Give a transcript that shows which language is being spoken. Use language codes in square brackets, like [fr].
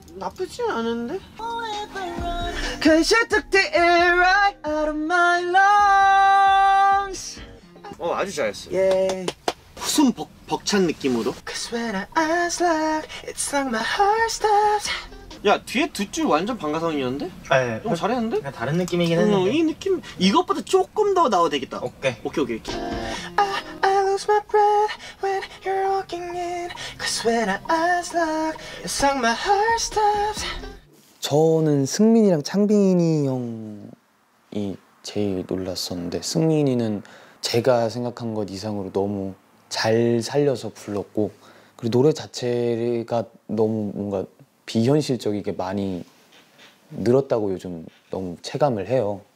[ko] 나쁘진 않은데? [en] Cause you took the air right out of my lungs. [ko] 아주 잘했어. 예. 숨 벅찬 느낌으로. [en] Cause when I ask like, it's like my heart stops. [ko] 야, 뒤에 두 줄 완전 반가성이었는데? 아, 좀 네. 잘했는데? 그냥 다른 느낌이긴 했는데. 이 느낌 이것보다 조금 더 나와도 되겠다. 오케이. 오케이, 오케이, 오케이. [en] Lose my breath when you're walking in. Cause when I ask love, it's like my heart stops. [ko] 저는 승민이랑 창빈이 형이 제일 놀랐었는데 승민이는 제가 생각한 것 이상으로 너무 잘 살려서 불렀고 그리고 노래 자체가 너무 뭔가 비현실적이게 많이 늘었다고 요즘 너무 체감을 해요.